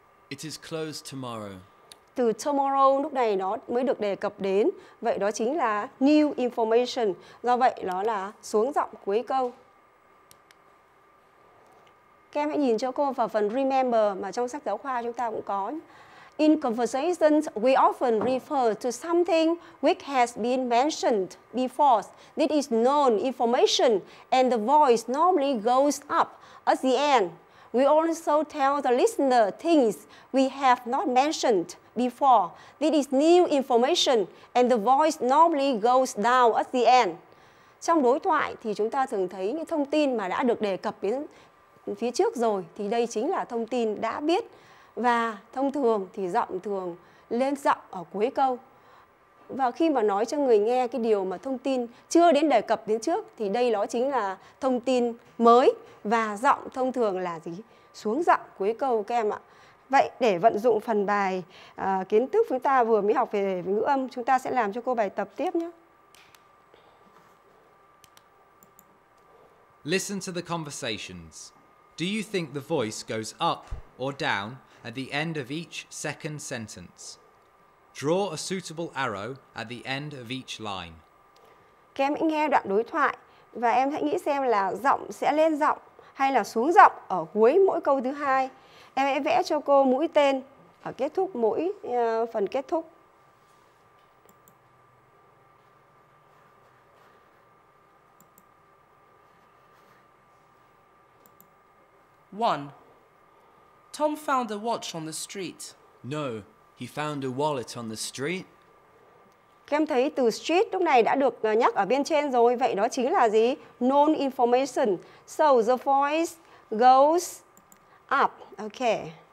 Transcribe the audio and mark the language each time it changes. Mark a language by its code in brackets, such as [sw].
[en] It is closed tomorrow. [vi] Từ tomorrow lúc này nó mới được đề cập đến. Vậy đó chính là new information. Do vậy nó là xuống giọng cuối câu. Các em hãy nhìn cho cô vào phần remember mà trong sách giáo khoa chúng ta cũng có. [en] In conversations, we often refer to something which has been mentioned before. This is known information and the voice normally goes up at the end. We also tell the listener things we have not mentioned before. This is new information and the voice normally goes down at the end. [vi] Trong đối thoại thì chúng ta thường thấy những thông tin mà đã được đề cập đến phía trước rồi thì đây chính là thông tin đã biết. Và thông thường thì giọng thường lên giọng ở cuối câu. Và khi mà nói cho người nghe cái điều mà thông tin chưa đến đề cập đến trước thì đây đó chính là thông tin mới. Và giọng thông thường là gì? Xuống giọng cuối câu các em ạ. Vậy để vận dụng phần bài kiến thức chúng ta vừa mới học về ngữ âm, chúng ta sẽ làm cho cô bài tập tiếp nhé. [en] Listen to the conversations. Do you think the voice goes up or down at the end of each second sentence? Draw a suitable arrow at the end of each line. [vi] Các em hãy nghe đoạn đối thoại và em hãy nghĩ xem là giọng sẽ lên giọng hay là xuống giọng ở cuối mỗi câu thứ hai. Em hãy vẽ cho cô mũi tên ở kết thúc mỗi phần kết thúc. [en] One. Tom found a watch on the street. No, he found a wallet on the street. [vi] Các em thấy từ street lúc này đã được nhắc ở bên trên rồi. Vậy đó chính là gì? [en] Known information. So the voice goes up. Okay.